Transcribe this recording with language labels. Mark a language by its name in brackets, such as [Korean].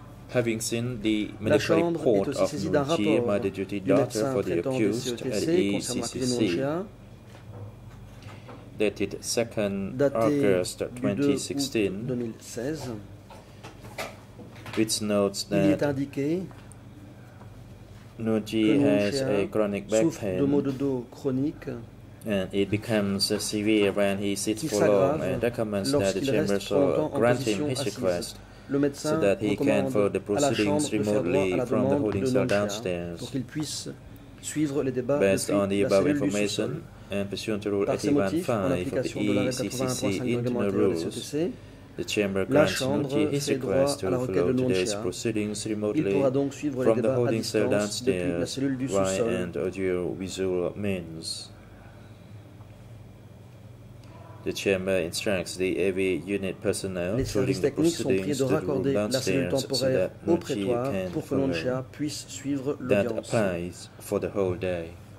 [English] Having seen the medical report of Nunchi by the duty doctor for the accused at ECCC, dated 2nd August 2016, which notes that Nunchi has a chronic back pain [French] de maux de dos chronique, [English] and it becomes severe when he sits for long, and recommends that the chamber shall grant him his request so that he can follow the proceedings remotely from the holding cell downstairs. [French] Pour qu'il puisse suivre les débats [English] based [French] depuis [English] on the above information, [French] par ces motifs, en application de la règle 81.5 du règlement intérieur des CTC, [English] The chamber grants Nautier his request to follow today's proceedings remotely from the holding cell downstairs via an audiovisual means. The chamber instructs the AV unit personnel to link the proceedings to the room downstairs so that Nautier can follow that applies for the whole day.